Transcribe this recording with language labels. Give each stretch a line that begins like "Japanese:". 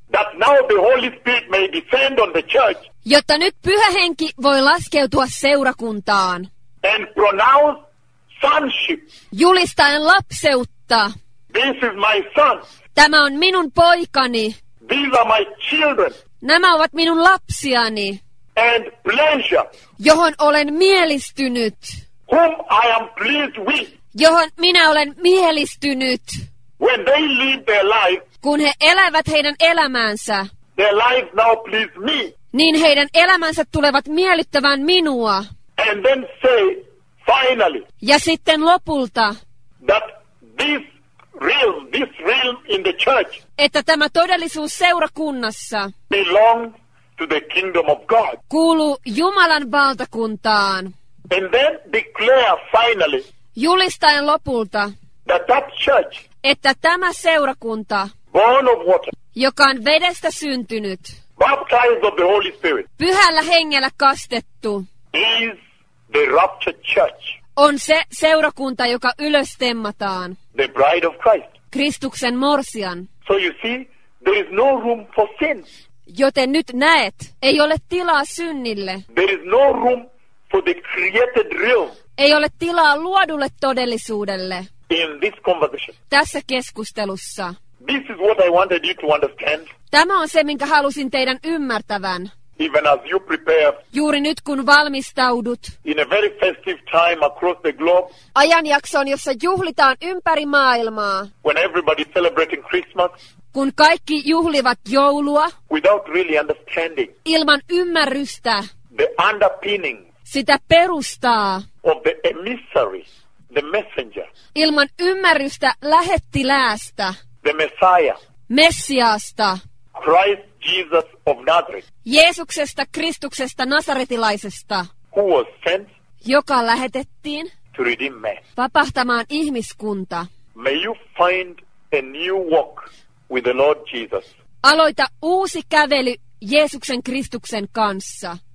English: That now the Holy Spirit may descend on the church.
Finnish: Jotta nyt Pyhä Henki voi laskeutua seurakuntaan.
English: And pronounce sonship.
Finnish: Julistaen lapseutta.
English: This is my son.
Finnish: Tämä on minun poikani.
English: These are my children.
Finnish: Nämä ovat minun lapsiani.
English: And pleasure.
Finnish: Johon olen mielistynyt.
English: Whom I am pleased with.
Finnish: Johon minä olen mielistynyt.
English: When they live their life.
Finnish: Kun he elävät heidän elämäänsä.
English: Their lives now please me.
Finnish: Niin heidän elämänsä tulevat miellyttämään minua.
English: And then say, finally,
Finnish: ja sitten lopulta,
English: that this realm in the church,
Finnish: että tämä todellisuus seurakunnassa
English: belongs to the kingdom of God,
Finnish: kuuluu Jumalan valtakuntaan.
English: And then declare finally,
Finnish: julistaen lopulta,
English: that church,
Finnish: että tämä seurakunta,
English: born of water,
Finnish: joka on vedestä syntynyt,
English: baptized of the Holy Spirit,
Finnish: pyhällä hengellä kastettu,
English: is the raptured church.
Finnish: On se seurakunta, joka ylös temmataan.
English: The bride of Christ.
Finnish: Kristuksen morsian.
English: So you see, there is no room for sin.
Finnish: Joten nyt näet, ei ole tilaa synnille.
English: There is no room for the created realm.
Finnish: Ei ole tilaa luodulle todellisuudelle.
English: In this conversation.
Finnish: Tässä keskustelussa.
English: This is what I wanted you to understand.
Finnish: Tämä on se, minkä halusin teidän ymmärtävän.
English: Even as you prepare,
Finnish: juuri nyt kun valmistaudut,
English: in a very festive time across the globe,
Finnish: ajanjaksoon, jossa juhlitaan ympäri maailmaa,
English: when everybody celebrating Christmas,
Finnish: kun kaikki juhlivat joulua,
English: without really understanding,
Finnish: ilman ymmärrystä,
English: the underpinning,
Finnish: sitä perustaa,
English: of the emissary, the messenger,
Finnish: ilman ymmärrystä lähettiläästä,
English: the Messiah,
Finnish: Messiasta,
English: Christ Jesus of Nazareth.
Finnish: Jeesuksesta Kristuksesta Nasaretilaisesta.
English: Who was sent?
Finnish: Joka lähetettiin.
English: To redeem man.
Finnish: Vapahtamaan ihmiskunta.
English: May you find a new walk with the Lord Jesus.
Finnish: Aloita uusi kävely Jeesuksen Kristuksen kanssa.